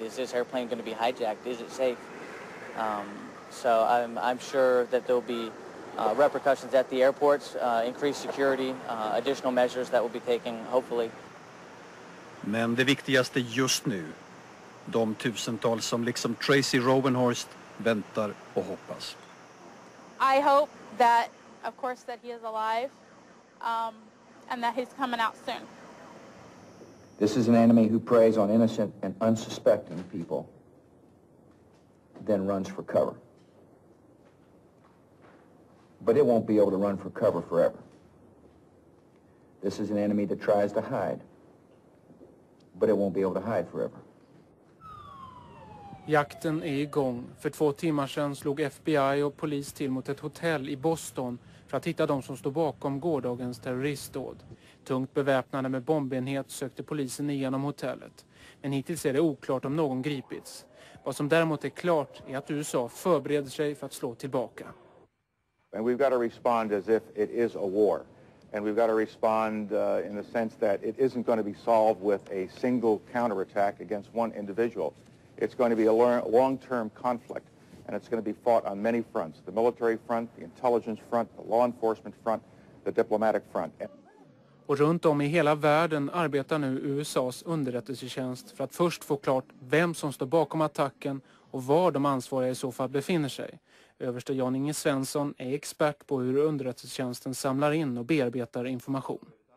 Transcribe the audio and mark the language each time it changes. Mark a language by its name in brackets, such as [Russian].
[English] Is this airplane going to be hijacked? Is it safe? So I'm sure that there'll be repercussions at the airports, increased security, additional measures that will be taken, hopefully. [Swedish] Men det viktigaste just nu, de tusentals som liksom Tracy Robenhorst väntar och hoppas. [English] I hope that, of course, that he is alive, and that he's coming out soon. This is an enemy who preys on innocent and unsuspecting people, then runs for cover. But it won't be able to run for cover forever. This is an enemy that tries to hide, but it won't be able to hide forever. [Swedish] Jakten är igång. För två timmar sedan slog FBI och polis till mot ett hotell i Boston för att hitta de som stod bakom gårdagens terroristdåd. Tungt beväpnade med bombenhet sökte polisen igenom hotellet. Men hittills är det oklart om någon gripits. Vad som däremot är klart är att USA förbereder sig för att slå tillbaka. [English] And we've got to respond as if it is a war. And we've got to respond in the sense that it isn't going to be solved with a single counterattack against one individual. It's going to be a long-term conflict, and it's going to be fought on many fronts. The military front, the intelligence front, the law enforcement front, the diplomatic front. [Swedish] Och runt om i hela världen arbetar nu USA:s underrättelsetjänst för att först få klart vem som står bakom attacken och var de ansvariga i så fall befinner sig. Överste Jan-Inge Svensson är expert på hur underrättelsetjänsten samlar in och bearbetar information.